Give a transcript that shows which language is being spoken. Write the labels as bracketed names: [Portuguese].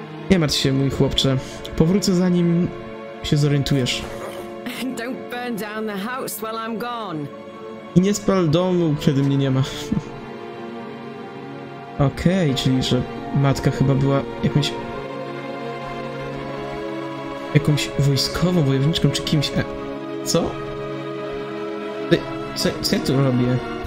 [Polish] Nie martw się, mój chłopcze. Powrócę zanim się zorientujesz. [English] Don't burn down the house while I'm gone. [Polish] I nie spal domu, kiedy mnie nie ma. Okej, czyli że matka chyba była jakąś wojskową wojowniczką czy kimś. Co? Co ja tu robię?